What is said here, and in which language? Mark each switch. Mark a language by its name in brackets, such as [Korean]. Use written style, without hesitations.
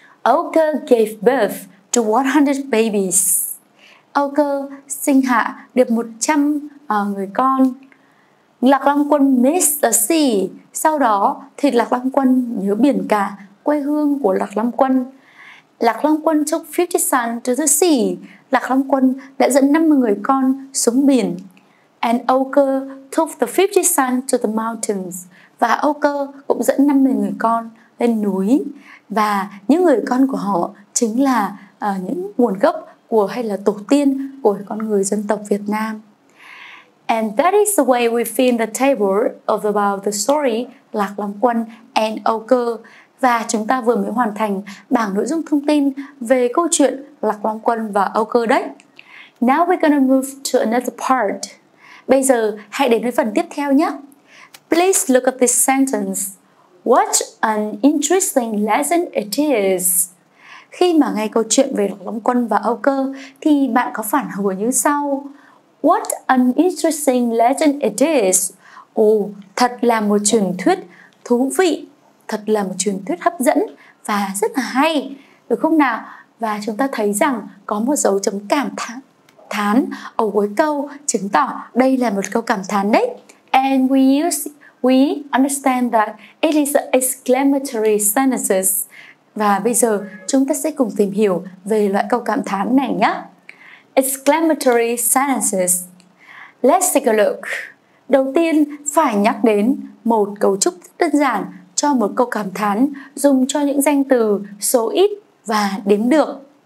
[English] Ochre gave birth to 100 babies. [Vietnamese] Ochre sinh hạ được 100 người con. [English] Lạc Long Quân missed the sea. [Vietnamese] Sau đó thì Lạc Long Quân nhớ biển cả, quê hương của Lạc Long Quân. [English] Lạc Long Quân took 50 sons to the sea. [Vietnamese] Lạc Long Quân đã dẫn 50 người con xuống biển. [English] And Ochre took the 50 sons to the mountains. [Vietnamese] Và Ochre cũng dẫn 50 người con lên núi. và những người con của họ chính là những nguồn gốc của hay là tổ tiên của con người dân tộc Việt Nam. [English] And that is the way we fill the table of about the story Lạc Long Quân and Âu Cơ. [Vietnamese] Và chúng ta vừa mới hoàn thành bảng nội dung thông tin về câu chuyện Lạc Long Quân và Âu Cơ đấy. [English] Now we're gonna move to another part. [Vietnamese] Bây giờ hãy đến với phần tiếp theo nhé. [English] Please look at this sentence. What an interesting lesson it is. [Vietnamese] Khi mà nghe câu chuyện về Lạc Long Quân và Âu Cơ thì bạn có phản hồi như sau. [English] What an interesting legend it is. [Vietnamese] Thật là một truyền thuyết thú vị, thật là một truyền thuyết hấp dẫn và rất là hay, được không nào? Và chúng ta thấy rằng có một dấu chấm cảm thán ở cuối câu chứng tỏ đây là một câu cảm thán đấy. [English] And we understand that it is an exclamatory sentence. [Vietnamese] Và bây giờ chúng ta sẽ cùng tìm hiểu về loại câu cảm thán này nhé. [English] Exclamatory sentences. Let's take a look. [Vietnamese] Đầu tiên phải nhắc đến một cấu trúc rất đơn giản cho một câu cảm thán dùng cho những danh từ số ít và đếm được.